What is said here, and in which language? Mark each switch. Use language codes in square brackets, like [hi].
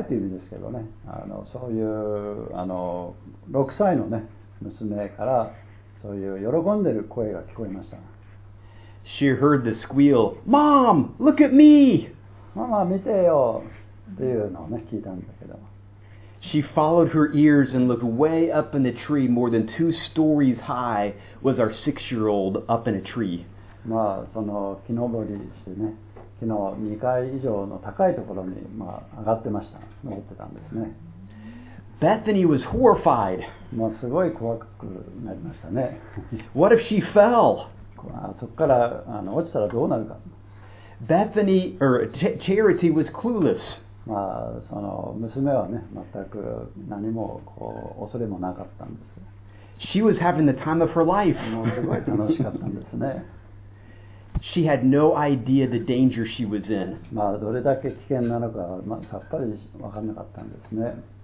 [ja] 愛という意味ですけどね。そういう6歳のね娘からそういう喜んでる声が聞こえました。 [en] She heard the squeal. Mom, look at me. [ja] ママ見てよっていうのをね聞いたんだけど。 [en] She followed her ears and looked way up in the tree, more than two stories high, was our six-year-old up in a tree. [ja] その木登りしてね、木の2階以上の高いところに上がってました。登ってたんですね。 [en] Bethany was horrified. [ja] すごい怖くなりましたね。 [en] What if she fell? [ja] そこから落ちたらどうなるか。 [en] Bethany, or Charity was clueless. [ja] その娘はね、全く何もこう恐れもなかったんです。 [en] She was having the time of her life. [ja] すごい楽しかったんですね。 [en] She had no idea the danger she was in. [ja] どれだけ危険なのか、さっぱり分からなかったんですね。